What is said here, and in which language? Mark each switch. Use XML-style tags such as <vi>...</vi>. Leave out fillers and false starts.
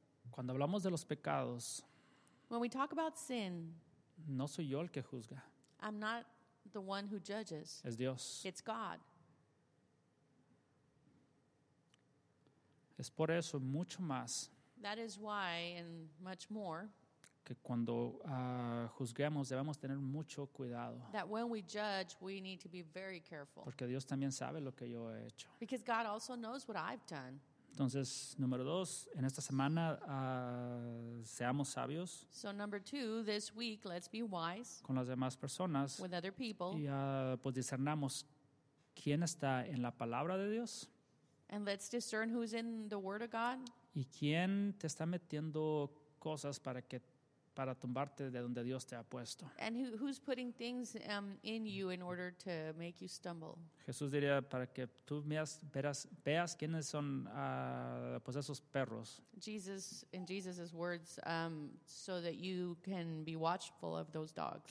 <es>Cuando hablamos de los pecados.</es> <en>When we talk about sin,</en> <es>no soy yo el que juzga.</es> <en>I'm not the one who judges.</en> <es>Es Dios.</es> <en>It's God.</en> <es>Es por eso mucho más.</es> <en>That is why and much more.</en> <es>Que cuando juzguemos debemos tener mucho cuidado.</es> <en>That when we judge, we need to be very careful.</en> <es>Porque Dios también sabe lo que yo he hecho.</es> <en>Because God also knows what I've done.</en> <es>Entonces, número dos, en esta semana, seamos sabios.</es> <en>So number two, this week, let's be wise.</en> <es>Con las demás personas.</es> <en>With other people.</en> <es>Y pues discernamos quién está en la palabra de Dios.</es> <en>And let's discern who's in the word of God.</en> <es>Y quién te está metiendo cosas para tumbarte de donde Dios te ha puesto.</es> <en>And who's putting things in you in order to make you stumble.</en> <es>Jesús diría para que tú veas quiénes son pues esos perros.</es> <en>Jesus, in Jesus' words, so that you can be watchful of those dogs.</en>